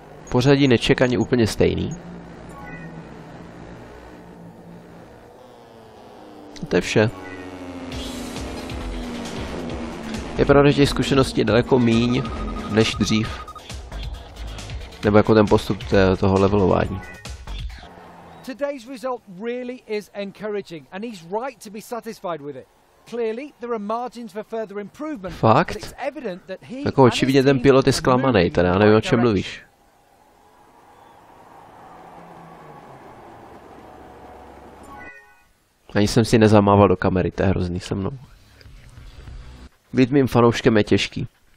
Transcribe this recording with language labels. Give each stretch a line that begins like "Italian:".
Czech: Pořadí nečekaně úplně stejný. A to je vše. Je pravda, že těch zkušeností je daleko míň, než dřív. Nebo jako ten postup toho levelování.
English: Today's result really is encouraging and he's right to be satisfied with it. Clearly there are margins for further improvement.
Czech: Fakt?
English: But it's evident that he
Czech: jako očividně ten pilot je zklamaný, teda já nevím, o čem mluvíš. Ani jsem si nezamával do kamery, to je hrozný se mnou. Být mým fanouškem je těžký.